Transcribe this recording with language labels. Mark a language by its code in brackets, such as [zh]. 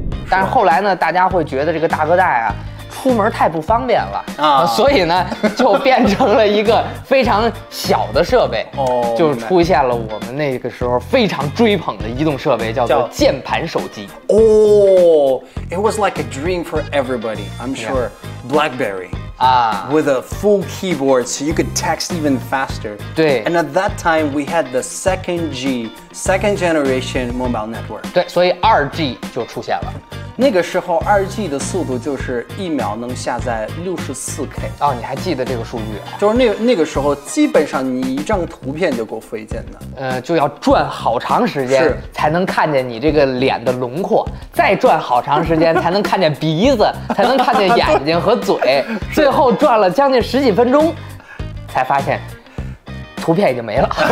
[zh] 但是后来呢，大家会觉得这个大哥大呀出门太不方便了啊，所以呢就变成了一个非常小的设备。就出现了我们那个时候非常追捧的移动设备，叫做键盘手机。 [en] It was like a dream for everybody, I'm sure. Blackberry. With a full keyboard, so you could text even faster. [zh] 对。 [en] And at that time, we had the 2G, second generation mobile network. [zh] 对，所以 2G 就出现了。那个时候 2G 的速度就是一秒能下载 64K 哦，你还记得这个数据啊？就是那个时候基本上你一张图片就够费劲的，就要转好长时间才能看见你这个脸的轮廓，再转好长时间才能看见鼻子才能看见眼睛和嘴，最后转了将近十几分钟才发现图片已经没了。